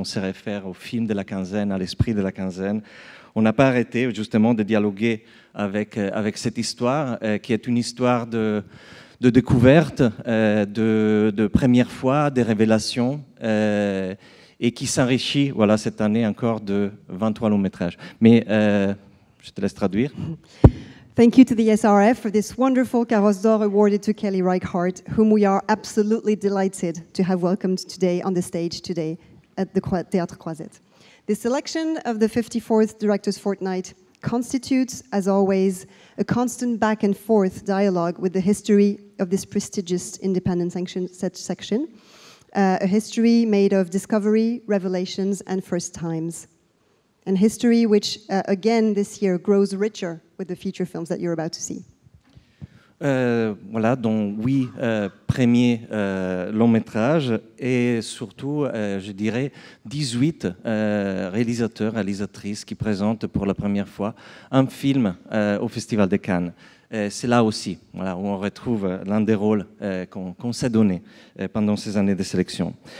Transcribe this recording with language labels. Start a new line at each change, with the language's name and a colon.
French: On se réfère au film de la quinzaine, à l'esprit de la quinzaine. On n'a pas arrêté, justement, de dialoguer avec cette histoire, qui est une histoire de découverte, de première fois, des révélations, et qui s'enrichit, voilà, cette année encore de 23 longs métrages. Mais je te laisse traduire.
English: Thank you to the SRF for this wonderful Carrosse d'Or awarded to Kelly Reichardt, whom we are absolutely delighted to have welcomed today on the stage today at the Théâtre Croisette. The selection of the 54th Director's Fortnight constitutes, as always, a constant back and forth dialogue with the history of this prestigious independent section, a history made of discovery, revelations, and first times. And history which, again, this year grows richer with the feature films that you're about to see.
French: Voilà, donc 8 premiers longs métrages et surtout, je dirais, 18 réalisateurs, réalisatrices qui présentent pour la première fois un film au Festival de Cannes. C'est là aussi, voilà, où on retrouve l'un des rôles qu'on s'est donné pendant ces années de sélection.